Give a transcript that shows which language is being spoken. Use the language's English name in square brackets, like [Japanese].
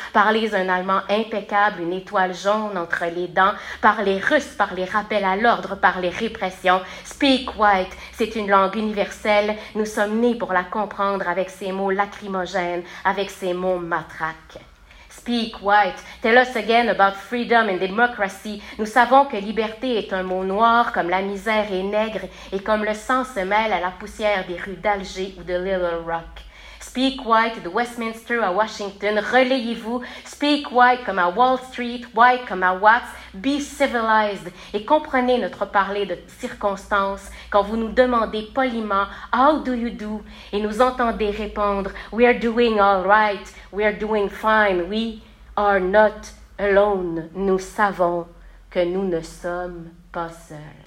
[French] Parlez un allemand impeccable, une étoile jaune entre les dents. Parlez russe par les rappels à l'ordre, par les répressions. Speak white, c'est une langue universelle. Nous sommes nés pour la comprendre avec ses mots lacrymogènes, avec ses mots matraques. [English] Speak white. Tell us again about freedom and democracy. [French] Nous savons que liberté est un mot noir comme la misère est nègre et comme le sang se mêle à la poussière des rues d'Alger ou de Little Rock. Speak white de Westminster à Washington. Relayez-vous. Speak white comme à Wall Street, white comme à Watts. Be civilized et comprenez notre parler de circonstances quand vous nous demandez poliment « How do you do? » et nous entendez répondre « We are doing all right, we are doing fine, we are not alone. » Nous savons que nous ne sommes pas seuls.